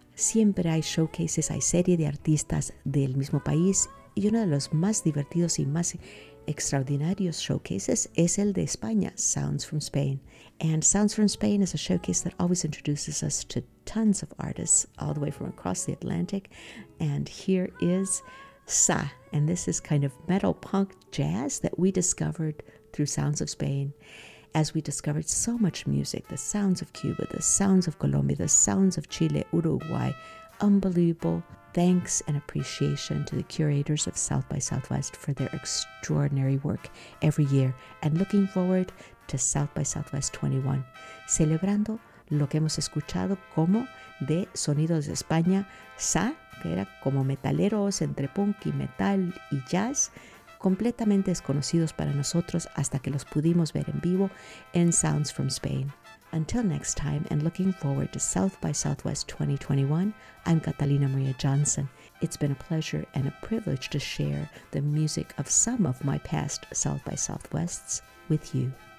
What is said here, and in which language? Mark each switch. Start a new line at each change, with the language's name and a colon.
Spanish: Siempre hay showcases, hay serie de artistas del mismo país y uno de los más divertidos y más extraordinarios showcases es el de España, Sounds from Spain.
English: And Sounds from Spain is a showcase that always introduces us to tons of artists all the way from across the Atlantic. And here is Sa, and this is kind of metal punk jazz that we discovered through Sounds of Spain. As we discovered so much music, the sounds of Cuba, the sounds of Colombia, the sounds of Chile, Uruguay, unbelievable. Thanks and appreciation to the curators of South by Southwest for their extraordinary work every year. And looking forward to South by Southwest 21,
Spanish: celebrando lo que hemos escuchado como de Sonidos de España, Sa, que era como metaleros entre punk y metal y jazz, completamente desconocidos para nosotros hasta que los pudimos ver en vivo en Sounds from Spain.
English: Until next time, and looking forward to South by Southwest 2021, I'm Catalina Maria Johnson. It's been a pleasure and a privilege to share the music of some of my past South by Southwests with you.